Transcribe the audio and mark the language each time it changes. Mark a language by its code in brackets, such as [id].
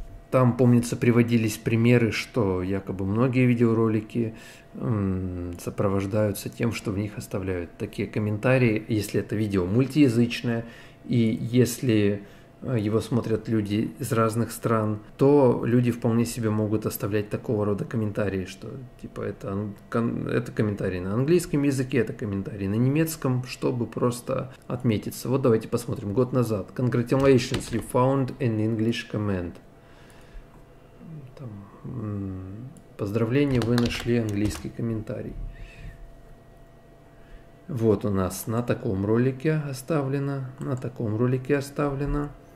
[ru] Там, помнится, приводились примеры, что якобы многие видеоролики сопровождаются тем, что в них оставляют такие комментарии, если это видео мультиязычное, и если его смотрят люди из разных стран, то люди вполне себе могут оставлять такого рода комментарии, что типа это комментарий на английском языке, это комментарий на немецком, чтобы просто отметиться. Вот давайте посмотрим. Год назад. [en] Congratulations, you found an English comment. [ru] Там, поздравление, вы нашли английский комментарий. Вот у нас на таком ролике оставлено, на таком ролике оставлено.